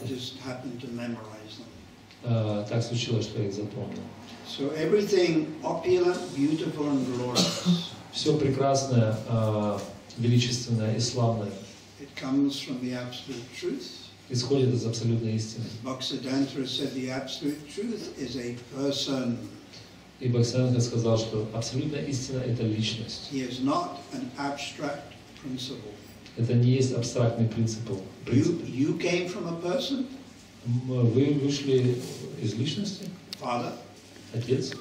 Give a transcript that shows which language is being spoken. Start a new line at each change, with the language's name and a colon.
English: I just happened to memorize them.
Russian: Так случилось, что я их запомнил.
English: So everything opulent, beautiful, and glorious.
Russian: Все прекрасное, величественное и славное.
English: It comes from the absolute truth.
Russian: Исходит из абсолютной истины.
English: Bhaktisiddhanta said the absolute truth is a person.
Russian: И Бхактисиддханта сказал, что абсолютная истина это личность.
English: He is not an abstract principle.
Russian: Это не есть абстрактный принцип.
English: You came from a person?
Russian: Вы вышли из личности?
English: Father.
Russian: Отец.